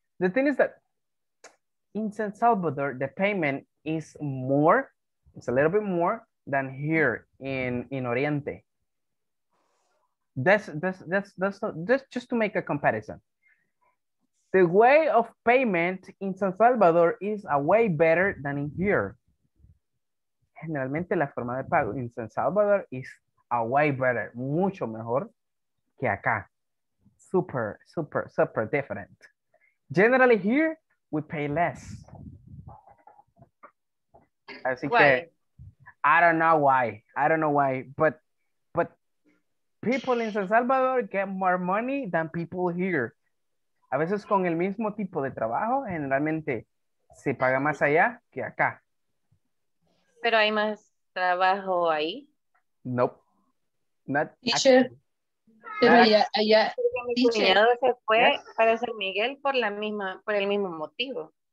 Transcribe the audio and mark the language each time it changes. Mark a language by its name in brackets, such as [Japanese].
[English] The thing is that in San Salvador, the payment is more, it's a little bit more than here in Oriente. That's just to make a comparison. The way of payment in San Salvador is a way better than in here. [Spanish] Generalmente, la forma de pago [English] in San Salvador is a way better, [Spanish] mucho mejor que acá. [English] Super, super, super different. Generally here, we pay less. [Spanish] Así que, [English] I don't know why. I don't know why. But people in San Salvador get more money than people here. [Spanish] A veces con el mismo tipo de trabajo, generalmente se paga más allá que acá. Pero hay más trabajo ahí. [English] Nope. Not [Spanish] teacher. Pero allá. Mi cuñado se fue para San Miguel por el mismo motivo.